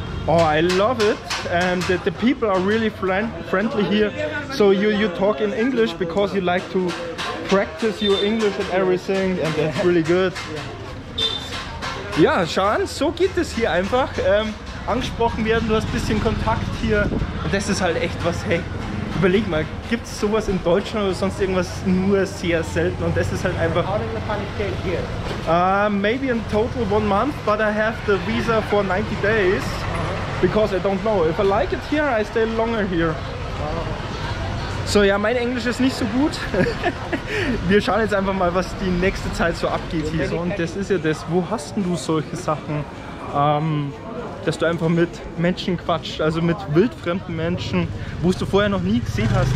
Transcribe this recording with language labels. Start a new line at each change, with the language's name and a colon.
English: Oh, I love it, and the people are really friendly here. So you talk in English because you like to practice your English and everything, and that's really good.
German: Ja, Sean, so geht es hier einfach. Angesprochen werden, du hast ein bisschen Kontakt hier. Und das ist halt echt was, hey, überleg mal, gibt es sowas in Deutschland oder sonst irgendwas nur sehr selten? Und das ist halt einfach...
English: How long have you stayed here? Maybe in total 1 month, but I have the visa for 90 days. Uh-huh. Because I don't know. If I like it here, I stay longer here.
German: So, ja, mein Englisch ist nicht so gut. Wir schauen jetzt einfach mal, was die nächste Zeit so abgeht hier. So, und das ist ja das. Wo hast denn du solche Sachen, dass du einfach mit Menschen quatschst, also mit wildfremden Menschen, wo du vorher noch nie gesehen hast?